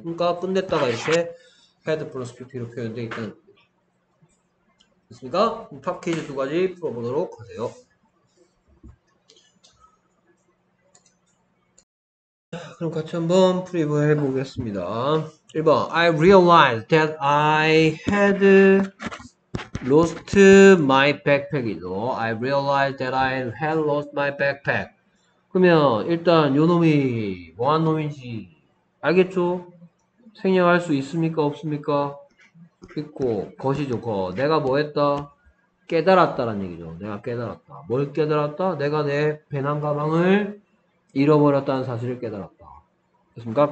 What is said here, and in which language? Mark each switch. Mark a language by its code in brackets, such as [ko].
[ko] 그러니까 끝냈다가 이렇게 head plus pp로 표현되어 있다는 겁니다. 됐습니까? 탑 퀴즈 두 가지 풀어보도록 하세요. 그럼 같이 한번 풀이부 해보겠습니다. 1번. [en] I realized that I had lost my backpack이죠. I realized that I had lost my backpack. [ko] 그러면 일단 요 놈이 뭐한 놈인지 알겠죠? 생략할 수 있습니까? 없습니까? 있고, 것이죠, 것. 내가 뭐 했다? 깨달았다라는 얘기죠. 내가 깨달았다. 뭘 깨달았다? 내가 내 배낭 가방을 잃어버렸다는 사실을 깨달았다. 그렇습니까?